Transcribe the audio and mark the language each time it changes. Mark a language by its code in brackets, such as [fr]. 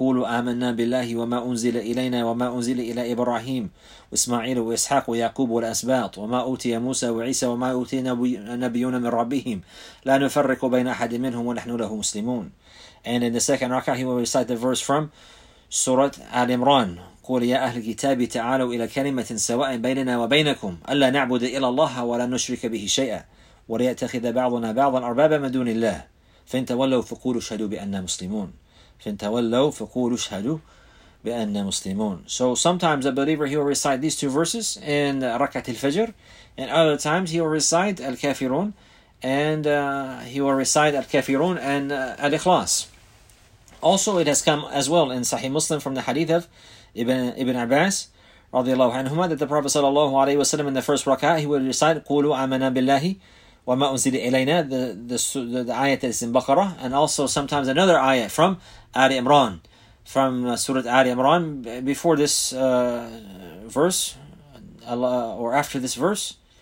[ar] قولوا آمنا بالله وما أنزل إلينا وما أنزل إلى إبراهيم وإسماعيل وإسحاق ويعقوب والأسباط وما أوتي موسى وعيسى وما أوتي نبيون من ربهم لا نفرق بين أحد منهم ونحن له مسلمون. [en] And in the second rak'ah, he will recite the verse from Surah Al Imran. [ar] قول يا أهل الكتاب تعالوا إلى كلمة سواء بيننا وبينكم ألا نعبد إلا الله ولا نشرك به شيئا وليتخذ بعضنا بعضا أربابا من دون الله فإن تولوا فقولوا اشهدوا بأننا مسلمون فإن تولوا فقولوا اشهدوا بأننا مسلمون. [en] So sometimes a believer, he will recite these two verses in Rak'at al-Fajr, and other times he will recite Al-Kafirun, and he will recite Al-Kafirun and Al-Ikhlas. Also, it has come as well in Sahih Muslim from the hadith of Ibn Abbas radiallahu anhumah that the Prophet sallallahu alayhi wa sallam in the first rak'ah he would recite [ar] قُولُوا آمَنَا بِاللَّهِ وَمَا أُنزِلَ إِلَيْنَا [en] the ayat that is in Baqarah, and also sometimes another ayat from Ali Imran, from Surah Ali Imran, before this verse, Allah, or after this verse,